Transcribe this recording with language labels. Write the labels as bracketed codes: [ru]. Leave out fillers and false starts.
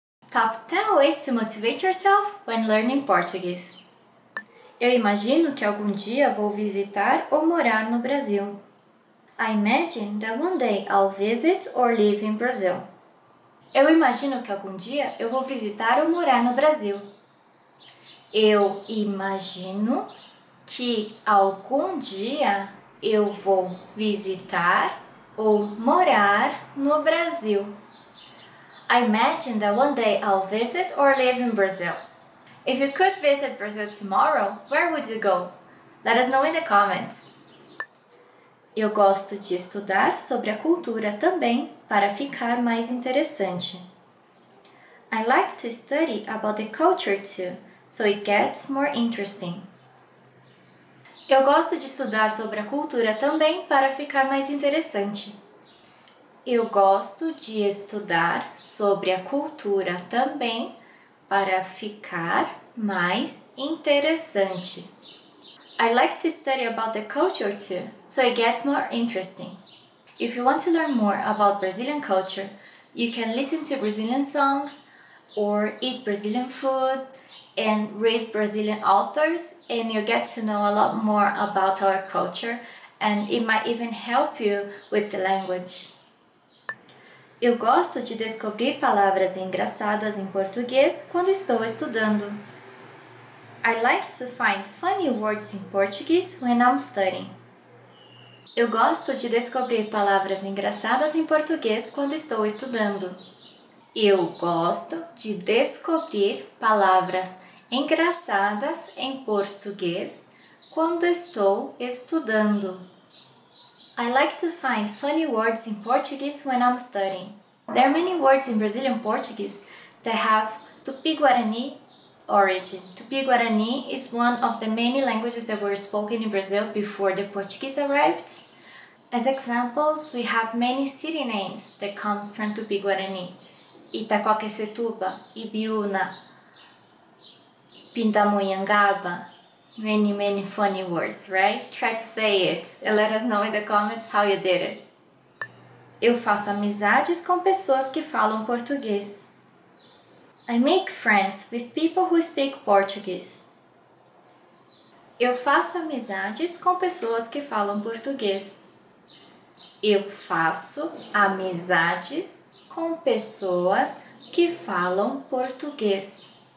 [en] Top 10 ways to motivate yourself when learning Portuguese. [pt] Eu imagino que algum dia vou visitar ou morar no Brasil. [en] I imagine that one day I'll visit or live in Brazil. [pt] Eu imagino que algum dia eu vou visitar ou morar no Brasil. Eu imagino que algum dia eu vou visitar ou morar no Brasil. [en] I imagine that one day I'll visit or live in Brazil. If you could visit Brazil tomorrow, where would you go? Let us know in the comments. [pt] Eu gosto de estudar sobre a cultura também para ficar mais interessante. [en] I like to study about the culture too, so it gets more interesting. [pt] Eu gosto de estudar sobre a cultura também para ficar mais interessante. Eu gosto de estudar sobre a cultura também para ficar mais interessante. [en] I like to study about the culture too, so it gets more interesting. If you want to learn more about Brazilian culture, you can listen to Brazilian songs, or eat Brazilian food, and read Brazilian authors, and you get to know a lot more about our culture, and it might even help you with the language. [pt] Eu gosto de descobrir palavras engraçadas em português quando estou estudando. [en] I like to find funny words in Portuguese when I'm studying. [pt] Eu gosto de descobrir palavras engraçadas em português quando estou estudando. Eu gosto de descobrir palavras engraçadas em português quando estou estudando. [en] I like to find funny words in Portuguese when I'm studying. There are many words in Brazilian Portuguese that have Tupi-Guarani origin. Tupi-Guarani is one of the many languages that were spoken in Brazil before the Portuguese arrived. As examples, we have many city names that come from Tupi-Guarani. Itaquaquecetuba, Ibiúna, Pindamonhangaba, many, many funny words, right? Try to say it and let us know in the comments how you did it. [pt] Eu faço amizades com pessoas que falam português. [en] I make friends with people who speak Portuguese. [pt] Eu faço amizades com pessoas que falam português. Eu faço amizades com pessoas que falam português.